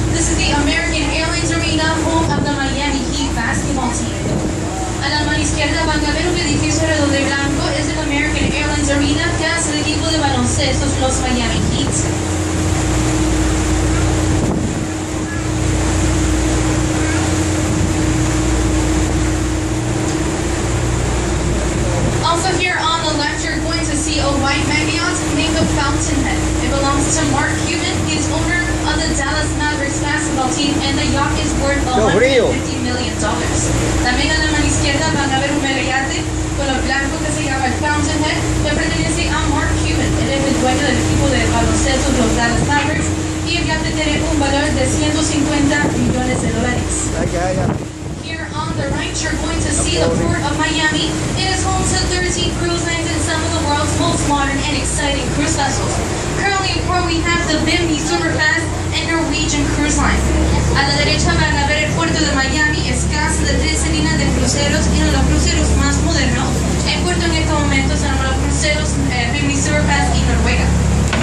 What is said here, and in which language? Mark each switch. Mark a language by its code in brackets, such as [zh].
[en] This is the American Airlines Arena, home of the Miami Heat basketball team. [es] A la mano izquierda van a ver un edificio redondo blanco. Es el American Airlines Arena, casa del equipo de baloncesto, los Miami Heat. [en] Also here on the left, you're going to see a white Marriott named the Fountainhead. It belongs to Mark Cuban. He's owner of the Dallas Mavericks basketball team, and the yacht is worth $150 million. [es] También a la mano izquierda van a ver un megayate color blanco que se llama el Fountainhead, que pertenece a Mark Cuban. Él es el dueño del equipo de baloncesto de los Dallas Mavericks, y el yacht tiene un valor de $150 million. [en] The right, you're going to see the Port of Miami. It is home to 13 cruise lines and some of the world's most modern and exciting cruise vessels. Currently in port, we have the Bimini Superfast and Norwegian Cruise Line. [es] A la derecha van a ver el puerto de Miami, es casa de tres líneas de cruceros y uno de los cruceros más modernos. El puerto en este momento son los cruceros Bimini Superfast y Noruega.